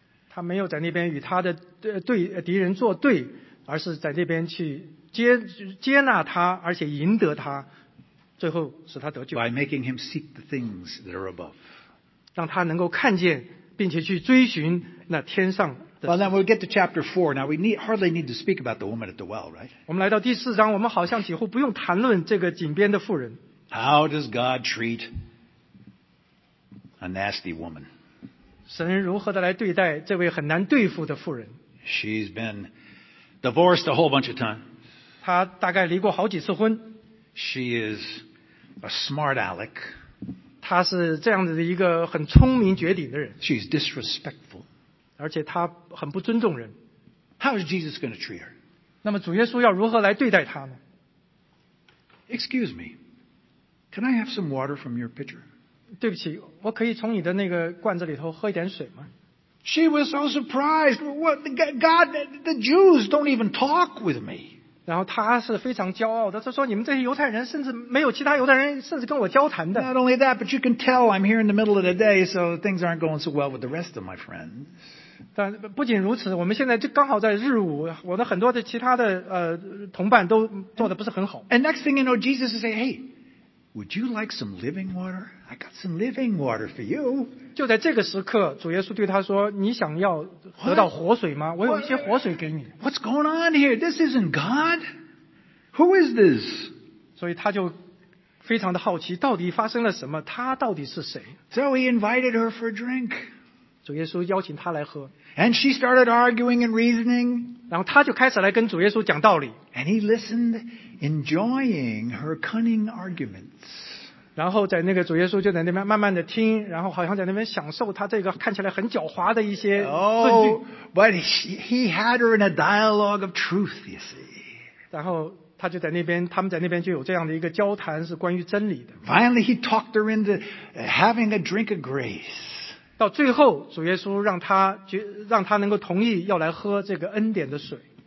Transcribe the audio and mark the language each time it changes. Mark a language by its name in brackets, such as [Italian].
[Chinese] 他没有在那边与他的敌人作对，而是在那边去 接纳他，而且赢得他，最后使他得救。 [English] By making him seek the things that are above. [Chinese] 让他能够看见，并且去追寻那天上的。 [English] Well, then we get to chapter 4. Now, hardly need to speak about the woman at the well, right? [Chinese] 我们来到第四章，我们好像几乎不用谈论这个井边的妇人。 [English] How does God treat a nasty woman? [Chinese] 神如何的来对待这位很难对付的妇人？ [English] She's been divorced a whole bunch of times. [Chinese] 她大概离过好几次婚。 [English] She is a smart aleck. [Chinese] 她是这样子的一个很聪明绝顶的人。 [English] She's disrespectful. [Chinese] 而且她很不尊重人。 [English] How is Jesus going to treat her? [Chinese] 那么主耶稣要如何来对待她呢？ [English] Excuse me. Can I have some water from your pitcher? [Chinese] 对不起，我可以从你的那个罐子里头喝一点水吗？ [English] She was so surprised. What God? The Jews don't even talk with me. [Chinese] 然后他是非常骄傲的，他说：“你们这些犹太人，甚至没有其他犹太人，甚至跟我交谈的。” [English] Not only that, but you can tell I'm here in the middle of the day, so things aren't going so well with the rest of my friends. [Chinese] 但不仅如此，我们现在就刚好在日午，我的很多的其他的同伴都做的不是很好。 [English] And next thing you know, Jesus is saying, "Hey." Would you like some living water? I got some living water for you. [Chinese] 就在这个时刻，主耶稣对他说：“你想要得到活水吗？我有一些活水给你。” [English] What's going on here? This isn't God. Who is this? [Chinese] 所以他就非常的好奇，到底发生了什么？他到底是谁？ [English] So he invited her for a drink. [Chinese] 主耶稣邀请他来喝。 [English] And she started arguing and reasoning. [Chinese] 然后他就开始来跟主耶稣讲道理。 [English] And he listened. Enjoying her cunning arguments. [Chinese] 然后在那个主耶稣就在那边慢慢的听，然后好像在那边享受他这个看起来很狡猾的一些证据。 [English] Oh, but he had her in a dialogue of truth, you see. [Chinese] 然后他就在那边，他们在那边就有这样的一个交谈，是关于真理的。 [English] Finally, he talked her into having a drink of grace. [Chinese] 到最后，主耶稣让他能够同意要来喝这个恩典的水。